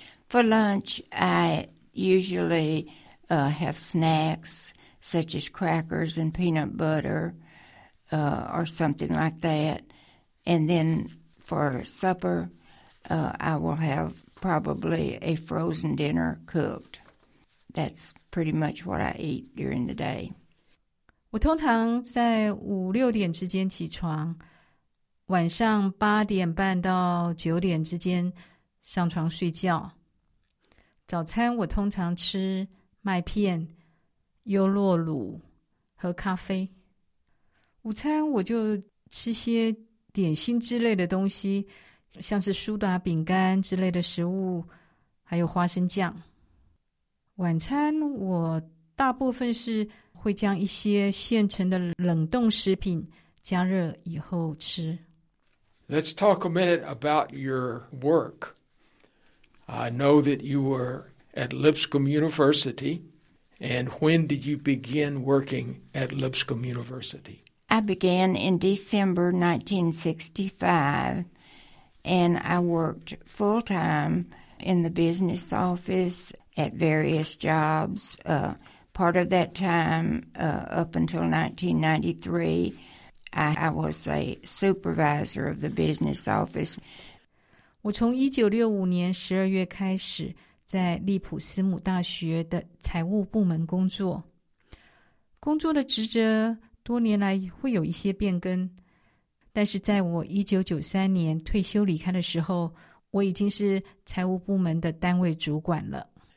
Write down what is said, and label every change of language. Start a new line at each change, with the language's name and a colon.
English: For lunch, I usually have snacks, such as crackers and peanut butter, or something like that. And then for supper, I will have probably a frozen dinner cooked. That's pretty much what I eat during the day.
Chinese: 我通常在5、6点之间起床，晚上8点半到9点之间上床睡觉。早餐我通常吃麦片、优酪乳和咖啡。午餐我就吃些点心之类的东西，像是苏打饼干之类的食物，还有花生酱。晚餐我大部分是会将一些现成的冷冻食品加热以后吃。
English: Let's talk a minute about your work. I know that you were at Lipscomb University, and when did you begin working at Lipscomb University? I began in December 1965, and I worked full time in the business office at various jobs, part of that time up until 1993. I was a supervisor of the business office.
Chinese: 我从1965年12月开始在利普斯姆大学的财务部门工作。工作的职责多年来会有一些变更，但是在我1993年退休离开的时候，我已经是财务部门的单位主管了。